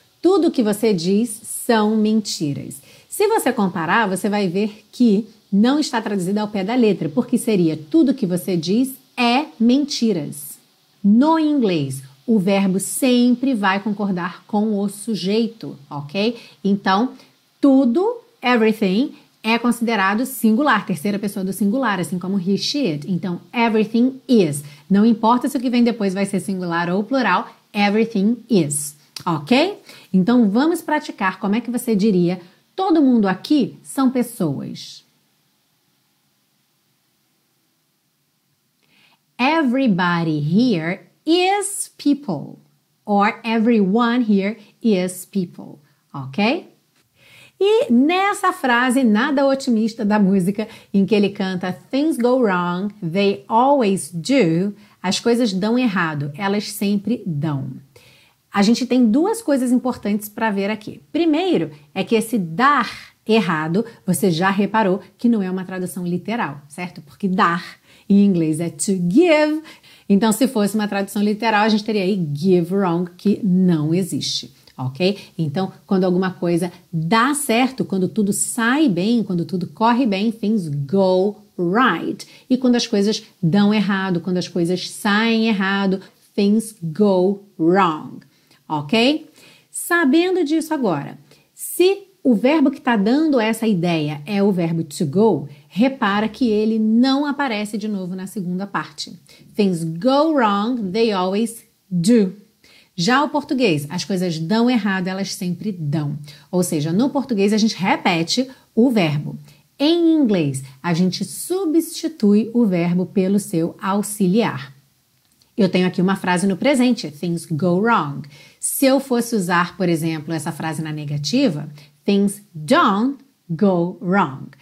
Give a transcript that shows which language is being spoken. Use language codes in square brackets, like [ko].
[pt] Tudo que você diz são mentiras. Se você comparar, você vai ver que não está traduzido ao pé da letra, porque seria tudo que você diz é mentiras. No inglês, o verbo sempre vai concordar com o sujeito, ok? Então, tudo, everything, é considerado singular, terceira pessoa do singular, assim como he, she, it. Então, [en] everything is. [pt] Não importa se o que vem depois vai ser singular ou plural, everything is. Ok? Então, vamos praticar como é que você diria todo mundo aqui são pessoas. [en] Everybody here is people. Or everyone here is people. Ok? [pt] E nessa frase nada otimista da música em que ele canta [en] "Things go wrong, they always do", [pt] as coisas dão errado, elas sempre dão. A gente tem duas coisas importantes para ver aqui. Primeiro, é que esse dar errado, você já reparou que não é uma tradução literal, certo? Porque dar em inglês é to give. Então, se fosse uma tradução literal, a gente teria aí give wrong, que não existe, ok? Então, quando alguma coisa dá certo, quando tudo sai bem, quando tudo corre bem, [en] things go right. [pt] E quando as coisas dão errado, quando as coisas saem errado, [en] things go wrong. [pt] Ok? Sabendo disso agora, se o verbo que está dando essa ideia é o verbo to go, repara que ele não aparece de novo na segunda parte. [en] Things go wrong, they always do. [pt] Já o português, as coisas dão errado, elas sempre dão. Ou seja, no português a gente repete o verbo. Em inglês, a gente substitui o verbo pelo seu auxiliar. Eu tenho aqui uma frase no presente, [en] things go wrong. [pt] Se eu fosse usar, por exemplo, essa frase na negativa, [en] things don't go wrong.